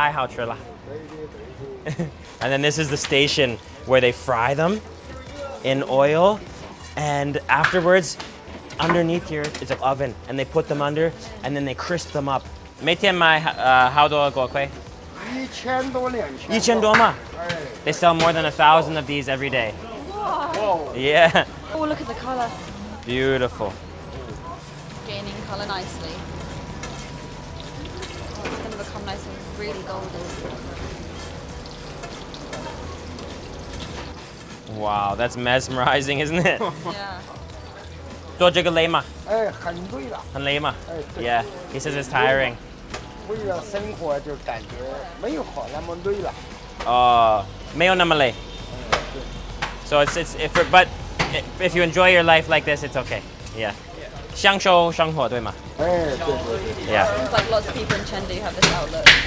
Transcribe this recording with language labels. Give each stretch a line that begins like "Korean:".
Chinese: 他们说我一点点都听不懂哟。哦，听不懂啊。我介绍你们的美食。我说这里太香了，太好吃了。
English: And then this is the station where they fry them in oil, and afterwards, underneath here is an oven, and they put them under, and then they crisp them up.
Chinese: 每天买好多锅盔。 1,000多, 2,000多.
English: They sell more than 1,000 of these every day. Whoa. Yeah. Oh, look at the color. Beautiful. Gaining color nicely. Oh, it's gonna become nice and really golden. Wow, that's mesmerizing, isn't it? Yeah.
Chinese: 做这个累吗? 哎,很累了。很累吗?
English: Yeah, he says it's tiring.
Chinese: 为了生活就感觉没有好那么累了。哦,没有那么累。
English: So but if you enjoy your life like this, it's okay.
Chinese: Yeah. 享受生活,对吗?Yeah.
English: Seems like lots of people in Chengdu have this outlook.